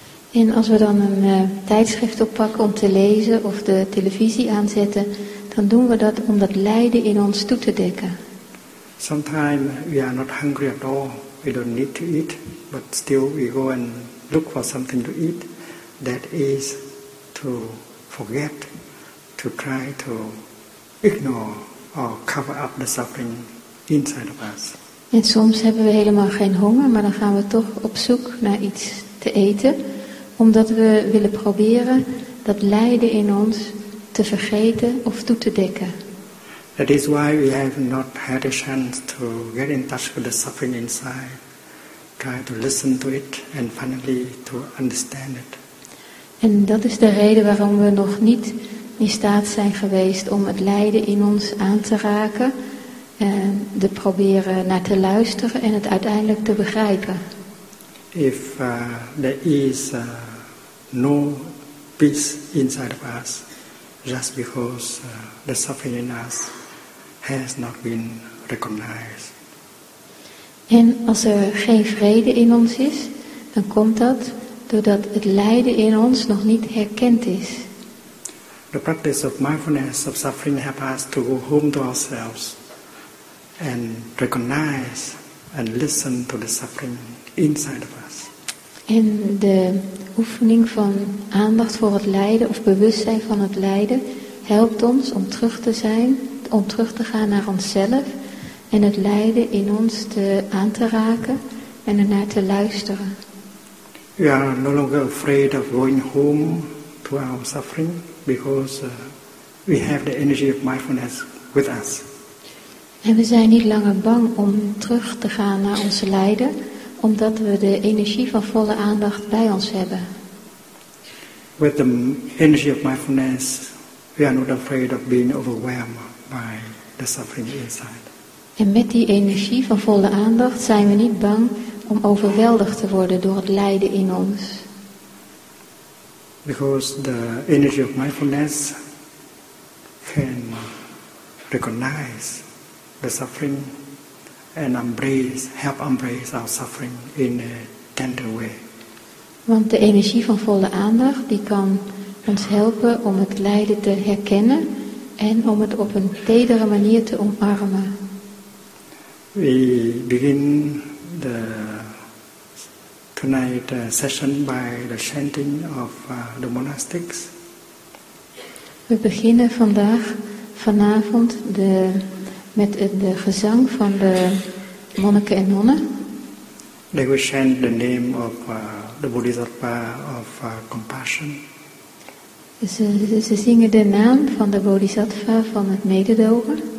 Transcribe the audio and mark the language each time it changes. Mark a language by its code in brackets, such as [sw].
[nl] En als we dan een tijdschrift oppakken om te lezen of de televisie aanzetten, dan doen we dat om dat lijden in ons toe te dekken. [en] Sometimes we are not hungry at all, we don't need to eat, but still we go and look for something to eat. That is to forget, to try to ignore or cover up the suffering inside of us. [nl] En soms hebben we helemaal geen honger, maar dan gaan we toch op zoek naar iets te eten, omdat we willen proberen dat lijden in ons te vergeten of toe te dekken. [en] That is why we have not had a chance to get in touch with the suffering inside, try to listen to it and finally to understand it. [nl] En dat is de reden waarom we nog niet in staat zijn geweest om het lijden in ons aan te raken, te proberen naar te luisteren en het uiteindelijk te begrijpen. [en] If there is no peace inside of us, just because the suffering in us has not been recognized. [nl] En als er geen vrede in ons is, dan komt dat doordat het lijden in ons nog niet herkend is. [en] The practice of mindfulness of suffering helps us to go home to ourselves and recognize and listen to the suffering inside of us. [nl] En de oefening van aandacht voor het lijden of bewustzijn van het lijden helpt ons om terug te zijn, om terug te gaan naar onszelf en het lijden in ons aan te raken en ernaar te luisteren. [en] We are no longer afraid of going home to our suffering because we have the energy of mindfulness with us. [nl] En we zijn niet langer bang om terug te gaan naar onze lijden, omdat we de energie van volle aandacht bij ons hebben. [en] With the energy of mindfulness, we are not afraid of being overwhelmed by the suffering inside. [nl] En met die energie van volle aandacht zijn we niet bang om overweldigd te worden door het lijden in ons. [en] Because the energy of mindfulness can recognize the suffering and help embrace our suffering in a tender way. [nl] Want de energie van volle aandacht die kan ons helpen om het lijden te herkennen en om het op een tedere manier te omarmen. [en] We begin the tonight session by the chanting of the monastics. [nl] We beginnen vanavond met de gezang van de monniken en nonnen. [en] They will chant the name of the Bodhisattva of compassion. [nl] Ze zingen de naam van de Bodhisattva van het mededogen.